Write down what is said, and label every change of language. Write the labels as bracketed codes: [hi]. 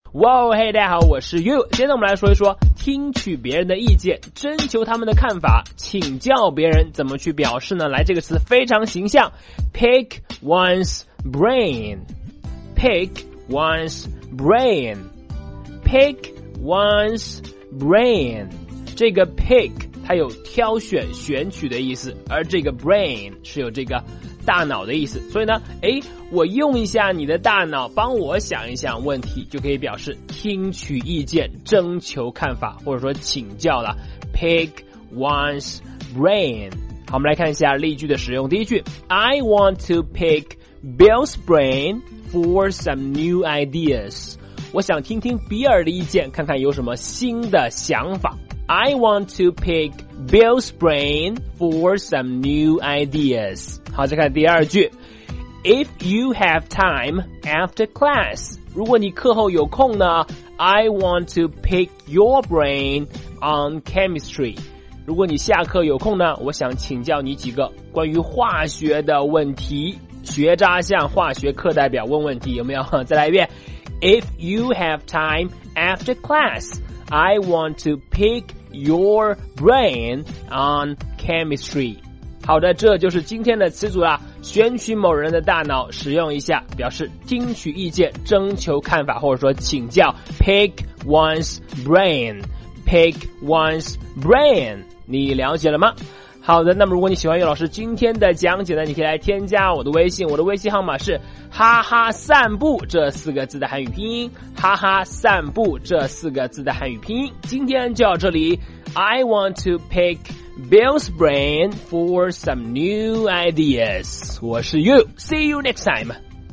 [zh] 哇哦，嘿，大家好，我是悠悠。今天我们来说一说，听取别人的意见，征求他们的看法，请教别人怎么去表示呢？来，这个词非常形象 [en] ，pick one's brain，pick one's brain，pick one's brain。 [zh] 这个 pick 它有挑选、选取的意思，而这个 brain 是有这个大脑的意思，所以呢，诶，我用一下你的大脑帮我想一想问题，就可以表示听取意见，征求看法，或者说请教了。 [en] Pick one's brain。 [zh] 好，我们来看一下例句的使用。第一句， [en] I want to pick Bill's brain for some new ideas。 [zh] 我想听听比尔的意见，看看有什么新的想法。 [en] I want to pick Bill's brain for some new ideas。 [zh] 好，再看第二句， [en] If you have time after class， [zh] 如果你课后有空呢， [en] I want to pick your brain on chemistry， [zh] 如果你下课有空呢，我想请教你几个关于化学的问题，学渣向化学课代表问问题，有没有？再来一遍， [en] If you have time after class， I want to pick your brain on chemistry。 [zh] 好的，这就是今天的词组啦，选取某人的大脑使用一下，表示听取意见，征求看法，或者说请教。 [en] Pick one's brain， Pick one's brain， [zh] 你了解了吗？好的，那么如果你喜欢悠老师今天的讲解呢，你可以来添加我的微信，我的微信号码是哈哈散步这四个字的汉语拼音，哈哈散步这四个字的汉语拼音。今天就到这里， [en] I want to pickBill's brain for some new ideas. [zh] 我是 [en] You. See you next time.